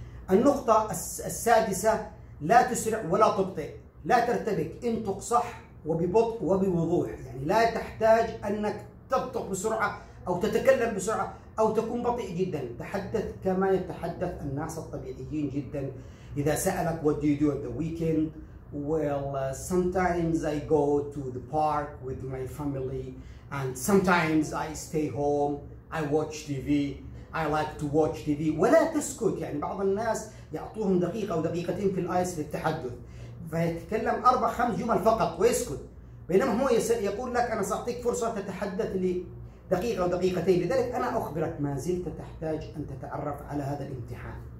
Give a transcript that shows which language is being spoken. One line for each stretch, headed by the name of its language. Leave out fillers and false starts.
Arabic: النقطة السادسة، لا تسرع ولا تبطئ، لا ترتبك، انطق صح وببطء وبوضوح. يعني لا تحتاج أنك تبطئ بسرعة أو تتكلم بسرعة أو تكون بطيء جدا، تحدث كما يتحدث الناس الطبيعيين جدا. إذا سألك
English: what do you do at the weekend? Well, sometimes I go to the park with my family and sometimes I stay home, I watch TV, I like to watch TV.
Arabic: ولا تسكت، يعني بعض الناس يعطوهم دقيقة أو دقيقتين في الآيس للتحدث فيتكلم أربع خمس جمل فقط ويسكت، بينما هو يقول لك أنا سأعطيك فرصة تتحدث لدقيقة أو دقيقتين. لذلك أنا أخبرك، ما زلت تحتاج أن تتعرف على هذا الامتحان.